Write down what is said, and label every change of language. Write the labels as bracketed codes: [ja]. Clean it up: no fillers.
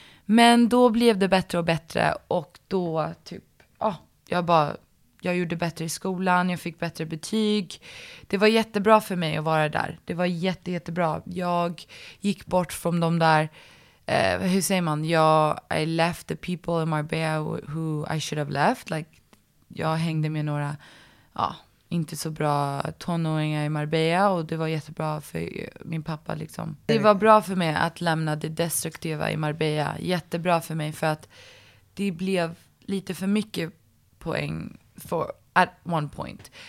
[sv] Men då blev det bättre och bättre och då typ, ja, jag gjorde bättre i skolan, jag fick bättre betyg. Det var jättebra för mig att vara där. Det var jättebra. Jag gick bort från de där, hur säger man? [en] I left the people in Marbella who I should have left. [sv] Like, jag hängde med några, ja, inte så bra tonåringar i Marbella. Och det var jättebra för min pappa liksom. Det var bra för mig att lämna det destruktiva i Marbella. Jättebra för mig för att det blev lite för mycket poäng. At one point.